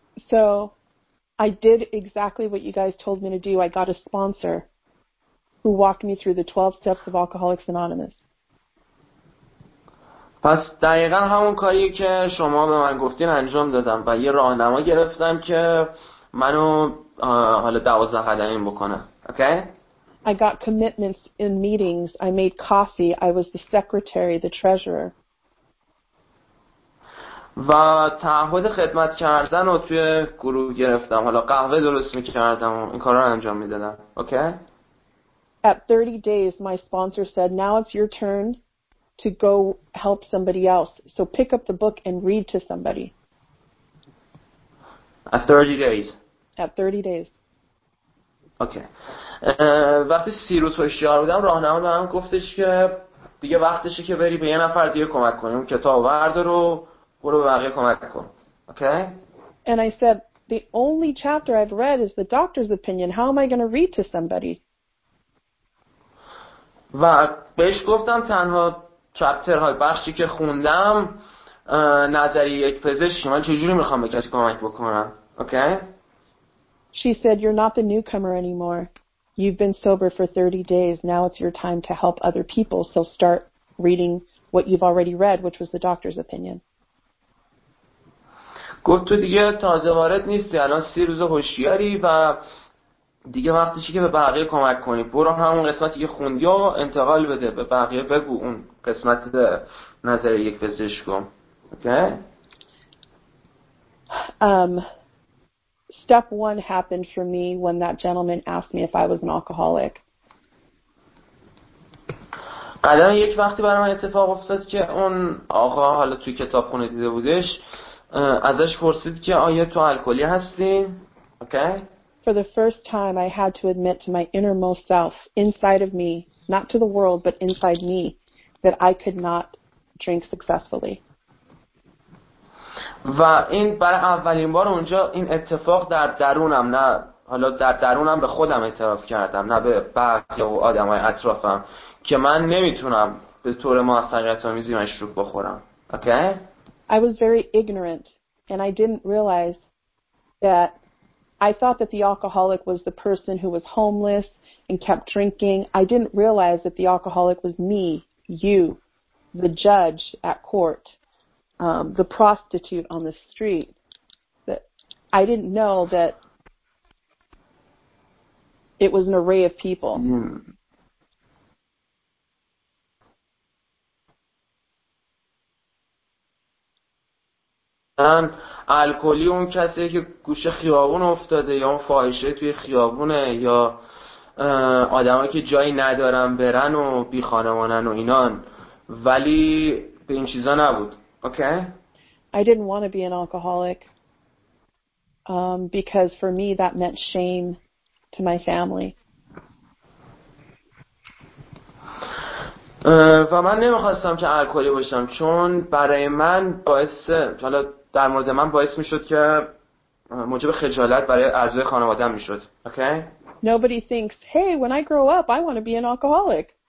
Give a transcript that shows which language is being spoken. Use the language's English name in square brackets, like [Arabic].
[English] So I did exactly what you guys told me to do. I got a sponsor who walked me through the 12 steps of Alcoholics Anonymous. [Persian] پس دقیقاً همون کاری که شما به من گفتین انجام دادم و یه راهنما گرفتم که منو حالا 12 قدمی بکنه. [English] Okay? I got commitments in meetings. I made coffee. I was the secretary, the treasurer. [Persian] و تعهد خدمت کردن رو توی گروه گرفتم. حالا قهوه درست میکردم و این کار رو انجام میدادم. [English] Okay? At 30 days, my sponsor said, now it's your turn to go help somebody else. So pick up the book and read to somebody. At 30 days? At 30 days. Okay. [Persian] وقتی 30 روز پیشیار بودم، راهنما به من گفتش که دیگه وقتشه که بری به یه نفر دیگه کمک کنیم. کتاب وردار و برو به بقیه کمک کن. [English] Okay? And I said, the only chapter I've read is the doctor's opinion. How am I going to read to somebody? [Persian] و بهش گفتم تنها چپتر های بخشی که خوندم نظری یک پزشکی، من چجوری میخوام به کسی کمک بکنم. [English] Okay? She said you're not the newcomer anymore. You've been sober for 30 days. Now it's your time to help other people. So start reading what you've already read, which was the doctor's opinion. [Persian] گفت تو دیگه تازه وارد نیستی، الان 30 روز هوشیاری و دیگه وقتشی که به بقیه کمک کنی. برو همون قسمتی که خوندی و انتقال بده به بقیه، بگو اون قسمت نظری یک پزشکو. [English] Okay? Step one happened for me when that gentleman asked me if I was an alcoholic. [Persian] قدم یک وقتی برای من اتفاق افتاد که اون آقا، حالا توی کتاب خونه دیده بودش، ازش پرسید که آیا تو الکلی هستی؟ اوکی؟ [English] For the first time, I had to admit to my innermost self, inside of me, not to the world, but inside me, that I could not drink successfully. [Persian] و این برای اولین بار اونجا این اتفاق در درونم، نه حالا در درونم به خودم اعتراف کردم، نه به بقیه و آدم های اطرافم، که من نمیتونم به طور موفقیت‌آمیزی مشروب بخورم. [English] Okay? I was very ignorant, and I didn't realize that I thought that the alcoholic was the person who was homeless and kept drinking. I didn't realize that the alcoholic was me, you, the judge at court, the prostitute on the street. That I didn't know that it was an array of people. Mm. [Persian] من الکلی اون کسی که گوشه خیابون افتاده، یا اون فاحشه توی خیابونه، یا آدمایی که جایی ندارن برن و بی خانمانن و اینان، ولی به این چیزا نبود. [English] Okay? I didn't want to be an alcoholic because for me that meant shame to my family. [Persian] و من نمیخواستم که الکلی باشم، چون برای من باعث، حالا در مورد من باعث میشد که موجب خجالت برای اعضای خانواده‌ام میشد. [English] Okay? Nobody thinks, "Hey, when I grow up, I want to be an alcoholic."